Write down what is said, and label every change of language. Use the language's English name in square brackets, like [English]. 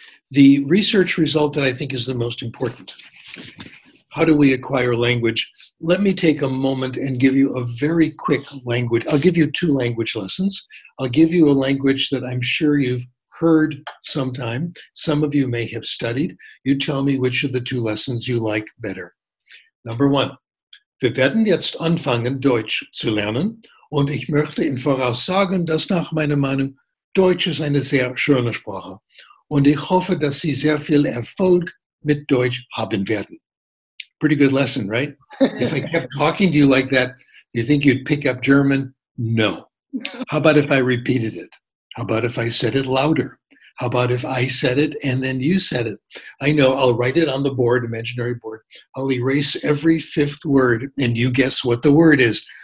[English] The research result that I think is the most important. How do we acquire language? Let me take a moment and give you a very quick language. I'll give you two language lessons. I'll give you a language that I'm sure you've heard sometime. Some of you may have studied. You tell me which of the two lessons you like better. Number one, [German] wir werden jetzt anfangen, Deutsch zu lernen. Und ich möchte Ihnen voraus sagen, dass nach meiner Meinung Deutsch ist eine sehr schöne Sprache. Und ich hoffe, dass Sie sehr viel Erfolg mit Deutsch haben werden. [English] Pretty good lesson, right? If I kept talking to you like that, do you think you'd pick up German? No. How about if I repeated it? How about if I said it louder? How about if I said it and then you said it? I know, I'll write it on the board, imaginary board. I'll erase every fifth word and you guess what the word is.